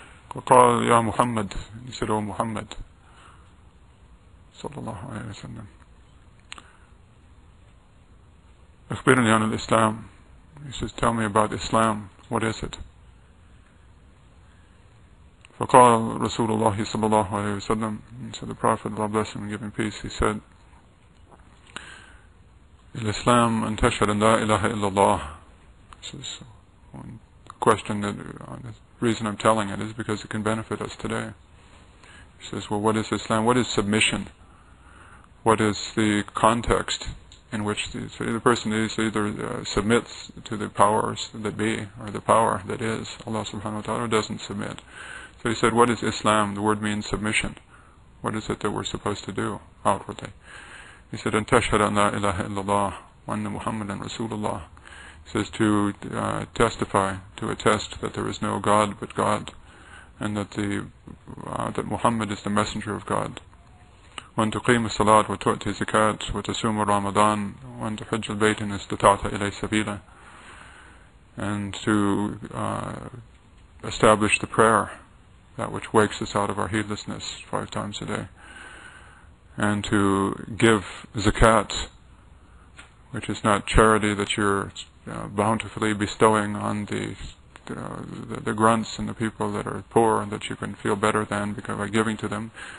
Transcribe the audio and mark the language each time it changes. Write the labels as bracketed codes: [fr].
[ar] وقال يا محمد, [en] he said, oh Muhammad sallallahu alayhi wa sallam, [ar] أخبرني عن الإسلام. [en] He says, tell me about Islam, what is it? [ar] فقال رسول الله صلى الله عليه وسلم, [en] so the Prophet, Allah bless him and give him peace, he said, [ar] الإسلام أن تشهد أن لا إله إلا الله. [en] This is one question that the reason I'm telling it is because it can benefit us today. He says, well, what is Islam? What is submission? What is the context in which the person is either submits to the powers that be, or the power that is, Allah subhanahu wa ta'ala, or doesn't submit? So he said, what is Islam? The word means submission. What is it that we're supposed to do outwardly? He said, [ar] أن تشهد أن لا إله إلا الله وأن محمدا رسول الله. [en] He says, to testify, to attest that there is no God but God, and that that Muhammad is the messenger of God. [ar] وأن تقيم الصلاة وتؤتي الزكاة وتصوم رمضان وأن تحج البيت إن استطعت إليه سبيلا. [en] And to establish the prayer, that which wakes us out of our heedlessness 5 times a day. And to give zakat, which is not charity that you're bountifully bestowing on the grunts and the people that are poor and that you can feel better than because by giving to them.